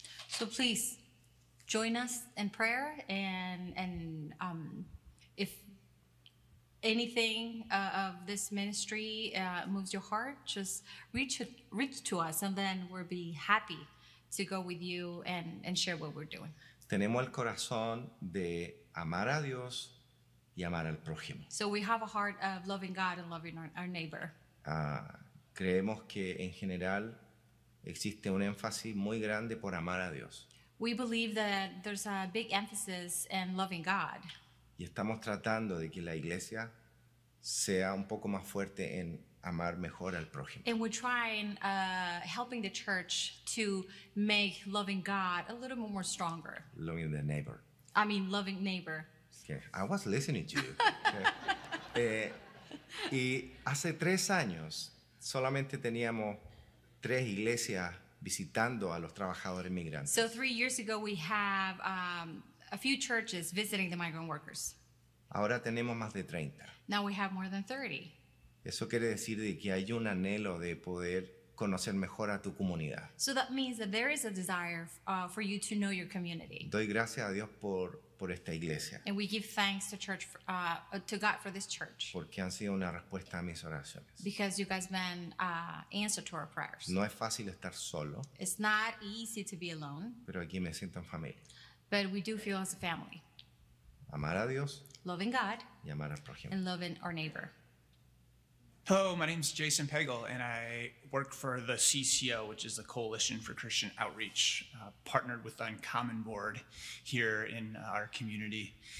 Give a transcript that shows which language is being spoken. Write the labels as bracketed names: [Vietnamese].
[English] So please join us in prayer, and if anything of this ministry moves your heart, just reach to us, and then we'll be happy to go with you and share what we're doing. [Spanish] Tenemos el corazón de amar a Dios y amar al prójimo. [English] So we have a heart of loving God and loving our neighbor. [Spanish] Creemos que en general existe un énfasis muy grande por amar a Dios. [English] We believe that there's a big emphasis in loving God. [Spanish] Y estamos tratando de que la iglesia sea un poco más fuerte en amar mejor al prójimo. [English] And we're trying, helping the church to make loving God a little bit more stronger. Loving the neighbor. I mean, loving neighbor. Okay. I was listening to you. Okay. [Spanish] Y hace 3 años solamente teníamos 3 iglesias visitando a los trabajadores migrantes. [English] So 3 years ago we have a few churches visiting the migrant workers. [Spanish] Ahora tenemos más de 30. [English] Now we have more than 30. [Spanish] Eso quiere decir de que hay un anhelo de poder conocer mejor a tu comunidad. [English] So that means that there is a desire for you to know your community. [Spanish] Doy gracias a Dios por esta iglesia. [English] And we give thanks to church to God for this church. [Spanish] Porque han sido una respuesta a mis oraciones. [English] Because you guys have been answer to our prayers. [Spanish] No es fácil estar solo. [English] It's not easy to be alone. [Spanish] Pero aquí me siento en familia. [English] But we do feel as a family. [Spanish] Amar a Dios. [English] Loving God. [Spanish] Y amar al prójimo. [English] And loving our neighbor. Hello, my name is Jason Pagel, and I work for the CCO, which is the Coalition for Christian Outreach, partnered with the Uncommon Board here in our community.